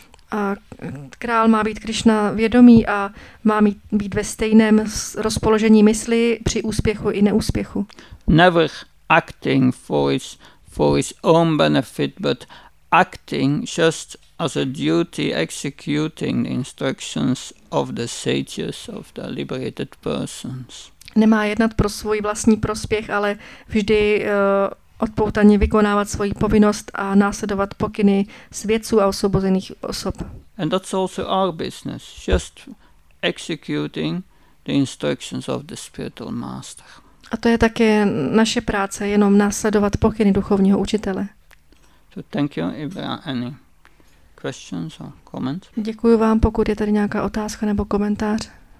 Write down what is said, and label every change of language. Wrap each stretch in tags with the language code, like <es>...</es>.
<cs>A král má být Krishna vědomý a má být ve stejném rozpoložení mysli při úspěchu i neúspěchu.</cs> <en>Never acting for his own benefit, but acting just as a duty executing the instructions of the sages, of the liberated persons.</en> <cs>Nemá jednat pro svůj vlastní prospěch, ale vždy odpoutaně vykonávat svoji povinnost a následovat pokyny svědců a osvobozených osob.</cs> <en>And that's also our business, just executing the instructions of the spiritual master.</en> <cs>A to je také naše práce, jenom následovat pokyny duchovního učitele.</cs> <en>So thank you if there are any questions or comments.</en> <cs>Děkuji vám, pokud je tady nějaká otázka nebo komentář.</cs>